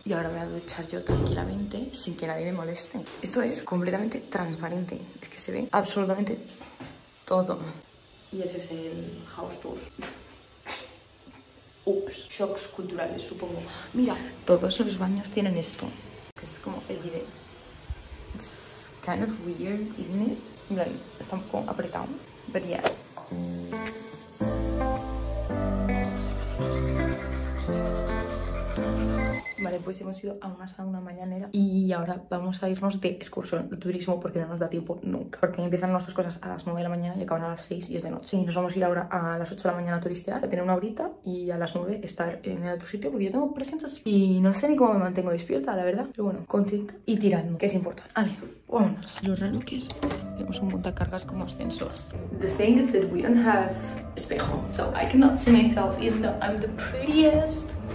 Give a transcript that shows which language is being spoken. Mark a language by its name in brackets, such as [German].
[Spanish] Y ahora me voy a duchar yo tranquilamente, sin que nadie me moleste. Esto es completamente transparente. Es que se ve absolutamente todo. Y ese es el house tour. Ups, shocks culturales, supongo. Mira, todos los baños tienen esto. Que es como el bidet. [English] It's kind of weird, isn't it? [Spanish] Mira, está un poco apretado. [English] But yeah. [Spanish] Vale, pues hemos ido a una sauna mañanera y ahora vamos a irnos de excursión de turismo porque no nos da tiempo nunca. Porque empiezan nuestras cosas a las 9 de la mañana y acaban a las 6 y es de noche. Y nos vamos a ir ahora a las 8 de la mañana a turistear, a tener una horita y a las 9 estar en el otro sitio porque yo tengo presentes y no sé ni cómo me mantengo despierta, la verdad. Pero bueno, contenta y tirando, que es importante. Vale, vámonos. Lo raro que es, tenemos un montacargas como ascensor. [English] The thing is that we don't have espejo, so I cannot see myself even though I'm the prettiest.